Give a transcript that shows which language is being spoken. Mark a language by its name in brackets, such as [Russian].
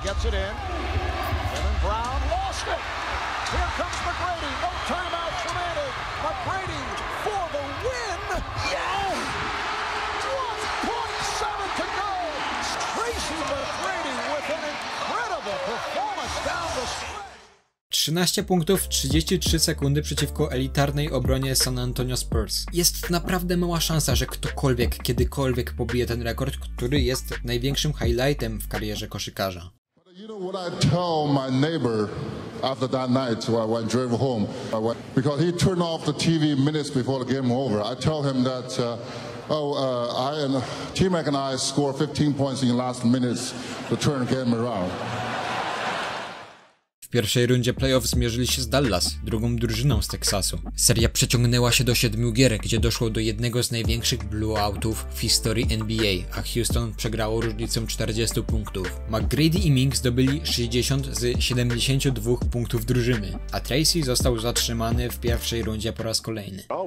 [English] Gets it in. Kevin Brown lost it. Here comes McGrady. No timeouts remaining. McGrady for the win. Yes! 1.7 to go. Tracy McGrady with an incredible performance down the street. [Polish] 13 punktów, 33 sekundy przeciwko elitarnej obronie San Antonio Spurs. Jest naprawdę mała szansa, że ktokolwiek, kiedykolwiek pobije ten rekord, który jest największym highlightem w karierze koszykarza. [English] You know what I tell my neighbor after that night when I drove home? Because he turned off the TV minutes before the game over. I tell him that, I and T-Mac and I scored 15 points in the last minutes to turn the game around. [Polish] W pierwszej rundzie playoff zmierzyli się z Dallas, drugą drużyną z Teksasu. Seria przeciągnęła się do 7 gier, gdzie doszło do jednego z największych blowoutów w historii NBA, a Houston przegrało różnicą 40 punktów. McGrady i Ming zdobyli 60 z 72 punktów drużyny, a Tracy został zatrzymany w pierwszej rundzie po raz kolejny.